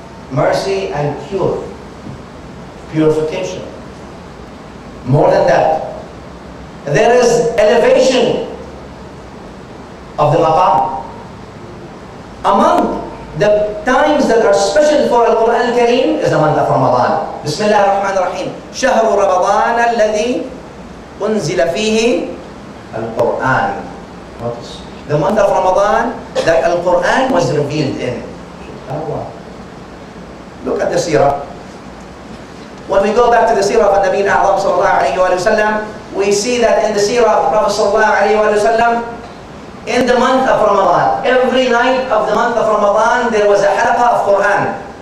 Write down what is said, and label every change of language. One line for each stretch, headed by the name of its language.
English: Mercy and cure, purification. More than that, there is elevation of the maqam. Among the times that are special for Al-Qur'an al-Kareem is the month of Ramadan. Bismillah ar-Rahman ar-Rahim.
Arabic: شهر رمضان الذي أنزل فيه القرآن.
English: The month of Ramadan that Al-Qur'an was revealed in. Look at the seerah. When we go back to the seerah of Nabi al-A'zam sallallahu alayhi wa sallam, we see that in the seerah of the Prophet sallallahu alayhi wa sallam, in the month of Ramadan, every night of the month of Ramadan, there was a halaqa of Qur'an.